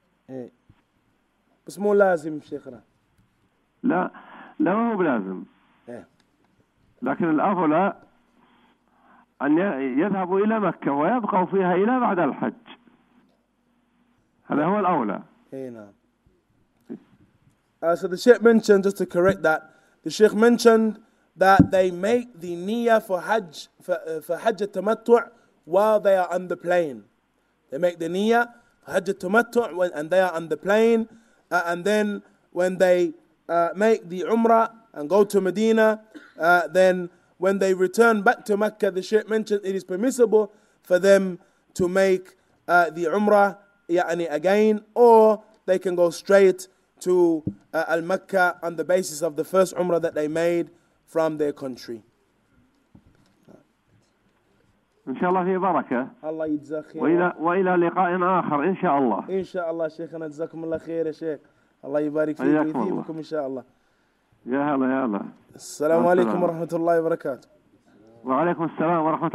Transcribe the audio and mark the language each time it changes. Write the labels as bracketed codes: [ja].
[ar] إيه. بس مو لازم شيخنا لا لا مو بلازم إيه. لكن الأفضل أن يذهبوا إلى مكة ويبقوا فيها إلى بعد الحج هذا هو الأولى أي نعم [en] so the Sheikh mentioned just to correct that the Sheikh mentioned that they make the niyyah for Hajj for Hajj التمتع while they are on the plane they make the niyyah for Hajj التمتع when, and they are on the plane and then when they make the Umrah and go to Medina then When they return back to Mecca, the Sheikh mentioned it is permissible for them to make the Umrah يعني again, or they can go straight to Al-Mecca on the basis of the first Umrah that they made from their country. [ar] Inshallah, fi baraka. Allah yajzak khair. وإلى لقاءٍ آخر, Inshallah. Inshallah, Sheikh, نجزاكم الله خير, Sheikh. Allah يبارك فيكم, Inshallah. يا هلا يا هلا السلام عليكم ورحمة الله وبركاته وعليكم السلام ورحمة الله وبركاته بارك الله فيكم